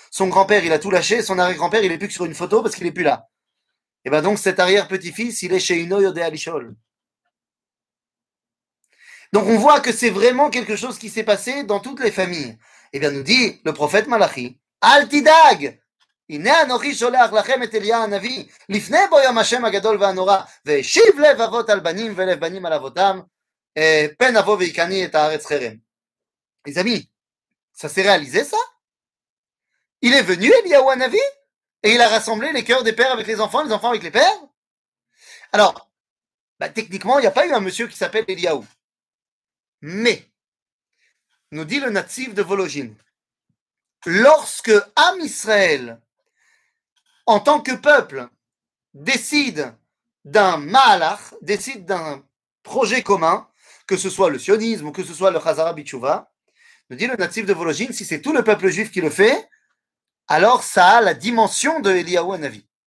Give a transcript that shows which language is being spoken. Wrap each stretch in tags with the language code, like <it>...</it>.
<fr>Son grand-père, il a tout lâché. Son arrière-grand-père, il est plus que sur une photo parce qu'il est plus là. Et ben, donc, cet arrière-petit-fils, il est chez</fr> <he>Ino Yodea Lishol.</he> <fr>Donc, on voit que c'est vraiment quelque chose qui s'est passé dans toutes les familles. Et bien, nous dit le prophète Malachi, Al Tidag!</fr> <he>הנה אנוכי שולח לכם את אליה הנביא, לפני בו יום השם הגדול והנורא, והשיב לב אבות על בנים ולב בנים על אבותם, פן אבו ויקני את הארץ חרם.</he> <fr>Les amis, ça s'est réalisé ça? Il est venu Eliyahu Hanavi? Et il a rassemblé les cœurs des pères avec les enfants avec les pères? Alors, bah, techniquement, il n'y a pas eu un monsieur qui s'appelle Eliyahu. Mais, nous dit le natif de Volozhin, lorsque Am Israël, en tant que peuple, décide d'un Mahalach, décide d'un projet commun, que ce soit le sionisme ou que ce soit le Chazara Bitshuva, nous dit le natif de Volozhin, si c'est tout le peuple juif qui le fait, alors ça a la dimension de Eliyahu Hanavi.</fr>